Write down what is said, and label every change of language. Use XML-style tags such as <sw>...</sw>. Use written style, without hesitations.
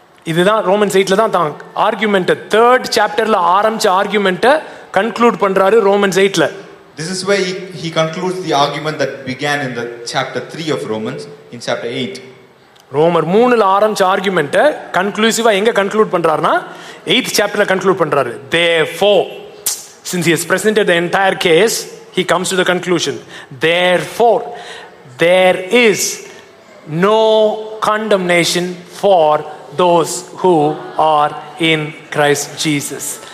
<ta>இதுதான் ரோமன்ஸ் 8 ல தான் தாங்க ஆர்கியூமென்ட் 3rd சாப்டர்ல ஆரம்பிச்ச ஆர்கியூமென்ட்டை கன்க்ளூட் பண்றாரு ரோமன்ஸ் 8 ல.</ta> <en>This is where he concludes the argument that began in the chapter 3 of Romans in chapter 8.</en> <ta>ரோமர் 3 ல ஆரம்பிச்ச ஆர்கியூமென்ட்டை கன்க்ளூசிவா எங்க கன்க்ளூட் பண்றாருனா 8th சாப்டர்ல கன்க்ளூட் பண்றாரு.</ta> <en>Therefore, since he has presented the entire case, he comes to the conclusion. Therefore, there is no condemnation for those who are in Christ Jesus.</en>